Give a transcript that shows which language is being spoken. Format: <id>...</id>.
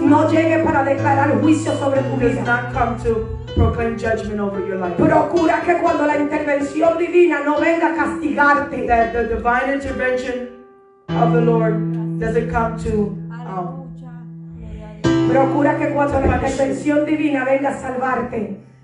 <es>No llegue para declarar juicio sobre tu vida.</es> <en>Does not come to proclaim judgment over your life.</en> <es>Procura que cuando la intervención divina no venga a castigarte.</es> <en>That the divine intervention of the Lord doesn't come to</en> <es>procura que cuando la intervención divina venga a salvarte.</es>